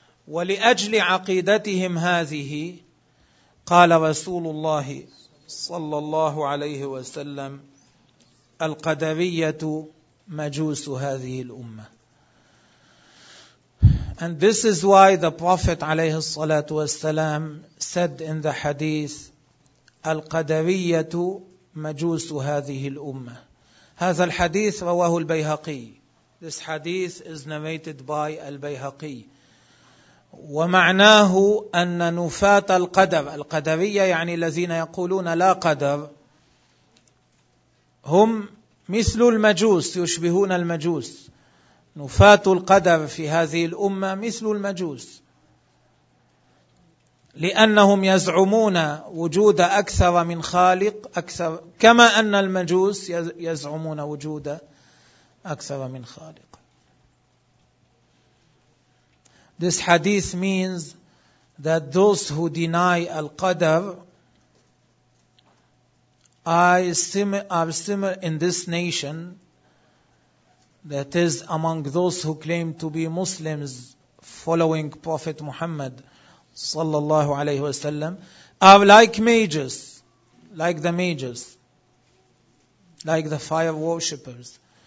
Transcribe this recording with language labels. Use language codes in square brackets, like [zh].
[ar] وَلِأَجْلِ عَقِيدَتِهِمْ هَذِهِ قَالَ رَسُولُ اللَّهِ صَلَّى اللَّهُ عَلَيْهِ وَسَلَّمَ الْقَدَرِيَّةُ مَجُوسُ هَذِهِ الْأُمَّةِ. [en] And this is why the Prophet [ar] عليه الصلاة والسلام [en] said in the hadith, [ar] الْقَدَرِيَّةُ مَجُوسُ هَذِهِ الْأُمَّةِ. هذا الحديث رواه البيهقي. [en] This hadith is narrated by البيهقي. [ar] ومعناه أن نفاة القدر، القدرية يعني الذين يقولون لا قدر، هم مثل المجوس، يشبهون المجوس. نفاة القدر في هذه الأمة مثل المجوس، لأنهم يزعمون وجود أكثر من خالق، أكثر كما أن المجوس يزعمون وجود أكثر من خالق. [en] This hadith means that those who deny al-qadr are similar in this nation That is, among those who claim to be Muslims following Prophet Muhammad [ar] sallallahu alayhi wa sallam, [en] are like the mages, like the fire worshippers.